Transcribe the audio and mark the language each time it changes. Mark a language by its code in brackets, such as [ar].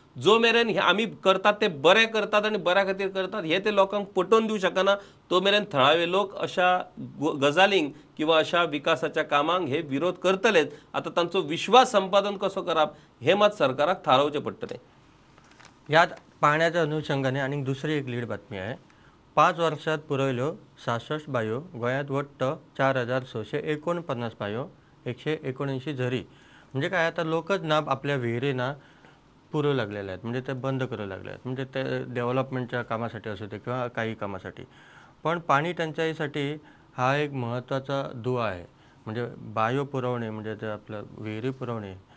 [kok] जो मेरेन आमी करतात ते बरें करतात आनी बऱ्या खातीर करतात हें ते लोकांक पटोवन दिवंक शकना, तो मेरेन थळावे लोक अशा गजालींक किंवां अशा विकासाच्या कामांक हे विरोध करतलेच. आतां तांचो विश्वास संपादन कसो करप हें मात सरकाराक थारोवचें पडटलें. [mr] ह्या पाण्याच्या अनुशंगाने आनी दुसरी एक लीड बातमी आहे. 5 वर्षांत पुरयल्यो 66 बांयो, गोंयांत वट्ट 4,649 बांयो, 179 झरी. म्हणजे काय, आतां लोकच ना आपल्या विहिरी ना पुरवू लागलेले आहेत, म्हणजे ते बंद करू लागले आहेत, म्हणजे ते डेव्हलपमेंटच्या कामासाठी असू दे किंवा काही कामासाठी. पण पाणी टंचाईसाठी हा एक महत्त्वाचा दुवा आहे, म्हणजे बायो पुरवणे, म्हणजे ते आपलं विहिरी पुरवणे